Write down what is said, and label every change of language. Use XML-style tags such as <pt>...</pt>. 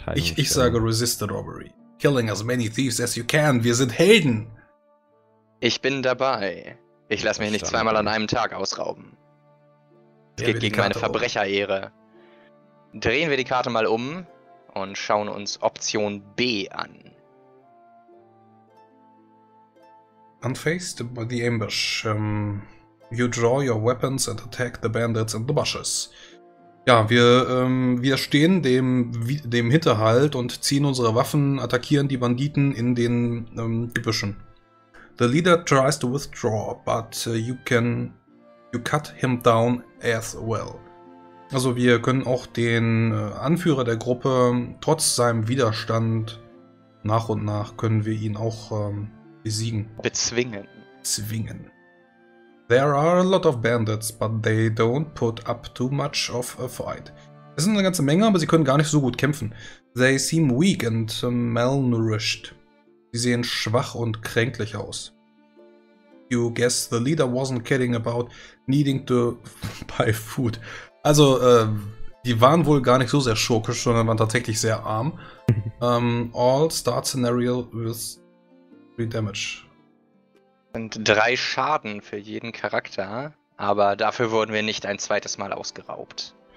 <de>Ich sage</de> <en>resist the robbery. Killing as many thieves as you can.</en> <de>Wir sind Helden. Ich bin dabei. Ich lasse mich nicht zweimal an einem Tag ausrauben. Es geht gegen meine Verbrecherehre. Drehen wir die Karte mal um und schauen uns Option B an.</de> <en>Unfazed by the ambush, you draw your weapons and attack the bandits in the bushes.</en> <de>Ja, wir stehen dem Hinterhalt und ziehen unsere Waffen, attackieren die Banditen in den Gebüschen.</de> <en>The leader tries to withdraw, but you cut him down as well.</en> <de>Also wir können auch den Anführer der Gruppe trotz seinem Widerstand nach und nach können wir ihn auch besiegen. Bezwingen. Zwingen.</de> <en>There are a lot of bandits, but they don't put up too much of a fight.</en> <de>Es sind eine ganze Menge, aber sie können gar nicht so gut kämpfen.</de> <en>They seem weak and malnourished.</en> <de>Sie sehen schwach und kränklich aus.</de> <en>You guess the leader wasn't kidding about needing to buy food.</en> <de>Also, die waren wohl gar nicht so sehr schurkisch, sondern waren tatsächlich sehr arm.</de> <en>All start scenario with 3 damage.</en> <de>Und 3 Schaden für jeden Charakter, aber dafür wurden wir nicht ein zweites Mal ausgeraubt.</de>